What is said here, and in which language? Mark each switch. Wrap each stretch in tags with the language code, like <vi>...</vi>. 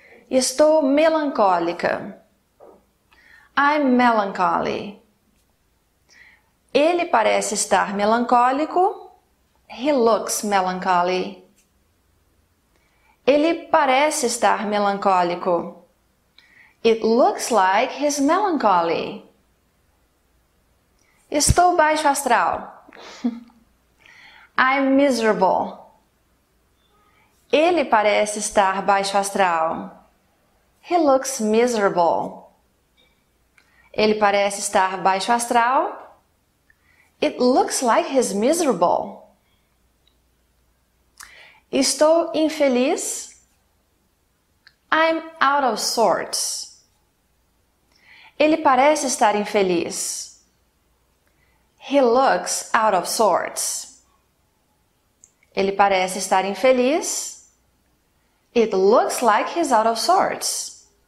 <pt>Estou melancólica.</pt> <en>I'm melancholy.</en> <pt>Ele parece estar melancólico.</pt> <en>He looks melancholy.</en> <pt>Ele parece estar melancólico.</pt> <en>It looks like he's melancholy.</en> <pt>Estou baixo astral.</pt> <en>I'm miserable.</en> <pt>Ele parece estar baixo astral.</pt> <en>He looks miserable.</en> <pt>Ele parece estar baixo astral.</pt> <en>It looks like he's miserable.</en> <pt>Estou infeliz.</pt> <en>I'm out of sorts.</en> <pt>Ele parece estar infeliz.</pt> <en>He looks out of sorts.</en> <pt>Ele parece estar infeliz.</pt> <en>It looks like he's out of sorts.</en>